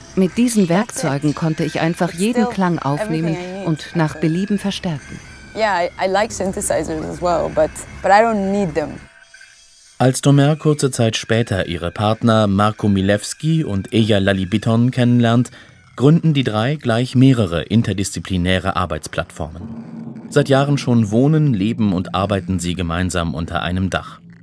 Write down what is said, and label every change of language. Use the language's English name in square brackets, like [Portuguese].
[German] Mit diesen Werkzeugen konnte ich einfach jeden Klang aufnehmen und nach Belieben verstärken. [English] Yeah, I like synthesizers as well, but I don't need them. [German] Als Tomer kurze Zeit später ihre Partner Marco Milewski und Eja Lalibiton kennenlernt, gründen die drei gleich mehrere interdisziplinäre Arbeitsplattformen. Seit Jahren schon wohnen, leben und arbeiten sie gemeinsam unter einem Dach.